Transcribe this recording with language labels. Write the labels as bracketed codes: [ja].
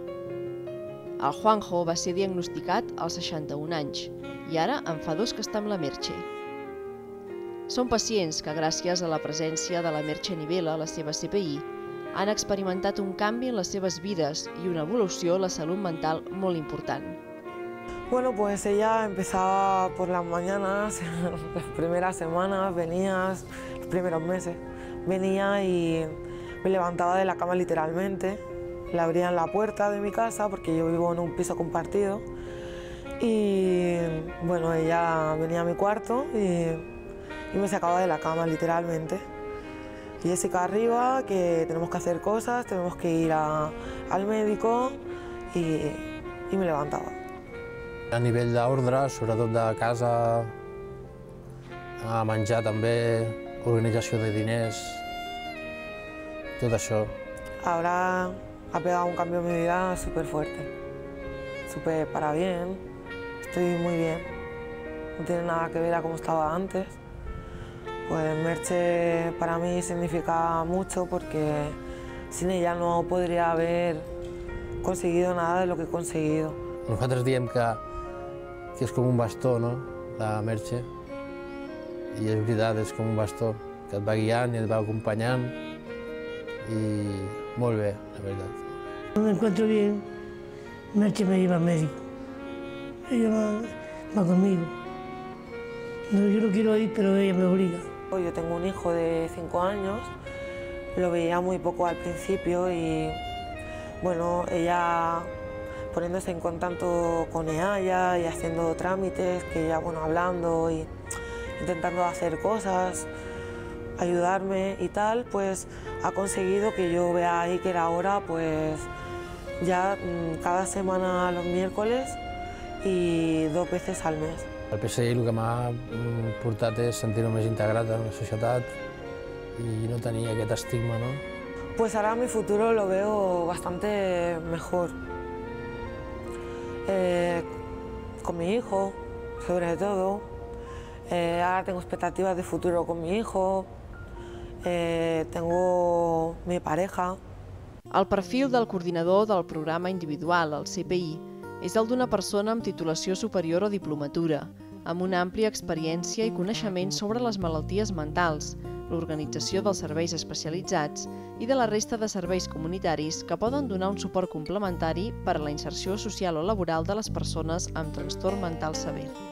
[ca] El Juanjo va ser diagnosticat als 61 anys i ara en fa 2 que està amb la Merche. Són pacients que, gràcies a la presència de la Merche Nivela, la seva CPI, han experimentat un canvi en les seves vides i una evolució a la salut mental molt important. [es] Bueno, pues ella empezaba por las mañanas, las primeras semanas, venía, los primeros meses, venía y me levantaba de la cama literalmente, le abrían la puerta de mi casa porque yo vivo en un piso compartido y bueno, ella venía a mi cuarto y me sacaba de la cama literalmente. Jessica arriba, que tenemos que hacer cosas, tenemos que ir al médico y me levantaba. [ca] A nivell d'ordre, sobretot de casa, a menjar també, organització de diners, tot això. [es] Ahora ha pegado un cambio en mi vida súper fuerte, súper para bien, estoy muy bien. No tiene nada que ver a cómo estaba antes. Pues Merche para mí significa mucho porque sin ella no podría haber conseguido nada de lo que he conseguido. [ca] Nosaltres diem que és com un bastó, no? La Merche. I és veritat, és com un bastó que et va guiant i et va acompanyant. I molt bé, la veritat. No m'encontro bé, [es] Merche me lleva al mèdic. Ella va conmigo. No, yo no quiero ir, pero ella me obliga. Yo tengo un hijo de 5 años, lo veía muy poco al principio y bueno, ella poniéndose en contacto con ella y haciendo trámites, que ella, bueno, hablando y intentando hacer cosas, ayudarme y tal, pues ha conseguido que yo vea a Iker ahora pues ya cada semana los miércoles y 2 veces al mes. [ca] El PSI el que m'ha portat és sentir-me més integrat en la societat i no tenir aquest estigma, no? [es] Pues ahora mi futuro lo veo bastante mejor. Con mi hijo, sobre todo. Ahora tengo expectativas de futuro con mi hijo. tengo mi pareja. [ca] El perfil del coordinador del programa individual, el CPI, és el d'una persona amb titulació superior o diplomatura, amb una àmplia experiència i coneixement sobre les malalties mentals, l'organització dels serveis especialitzats i de la resta de serveis comunitaris que poden donar un suport complementari per a la inserció social o laboral de les persones amb trastorn mental sever.